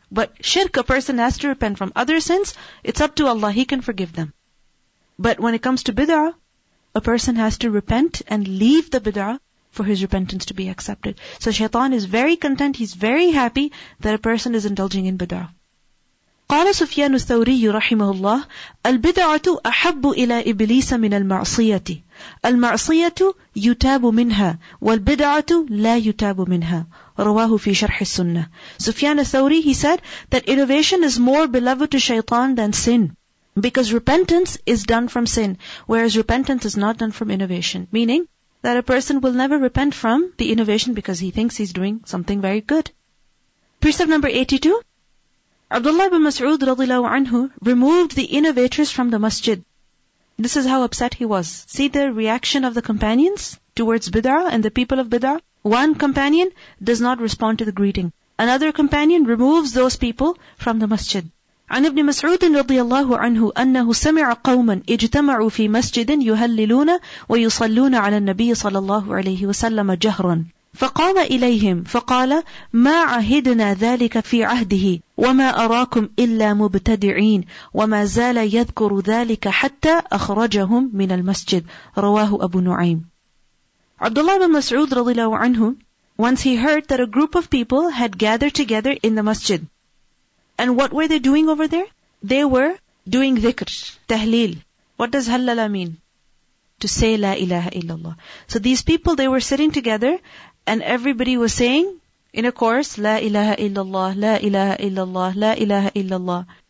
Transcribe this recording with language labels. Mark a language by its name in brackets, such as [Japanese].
[English] But shirk, a person has to repent from. Other sins, it's up to Allah. He can forgive them. But when it comes to bid'ah, a person has to repent and leave the bid'ah for his repentance to be accepted. So shaitan is very content, he's very happy that a person is indulging in bid'ah. [Arabic] قال سفيان الثوري رحمه الله البدعة أحب إلى إبليس من المعصية المعصية يتاب منها والبدعة لا يتاب منها رواه في شرح السنة. [English] سفيان الثوري, he said that innovation is more beloved to shaitan than sin, because repentance is done from sin, whereas repentance is not done from innovation. Meaning that a person will never repent from the innovation because he thinks he's doing something very good. Precept number 82, Abdullah ibn Mas'ud radiallahu anhu removed the innovators from the masjid. This is how upset he was. See the reaction of the companions towards bid'ah and the people of bid'ah. One companion does not respond to the greeting. Another companion removes those people from the masjid. [Arabic] An ibn Mas'ud radiallahu anhu annahu sami'a qawman ijtama'u fi masjidin yuhalliluna wa yusalluna ala nabi sallallahu alayhi wa sallam jahran. فقال إليهم فقال ما عهدنا ذلك في عهده وما أراكم إلا مبتدعين وما زال يذكر ذلك حتى أخرجهم من المسجد رواه أبو نعيم. [English] Abdullah ibn Mas'ud [Arabic] رضي الله عنه, [English] once he heard that a group of people had gathered together in the masjid. And what were they doing over there? They were doing dhikr, tahleel. What does halala mean? To say la ilaha illallah. So these people, they were sitting together and everybody was saying in a chorus, la ilaha illallah, la ilaha illallah, la ilaha illallah.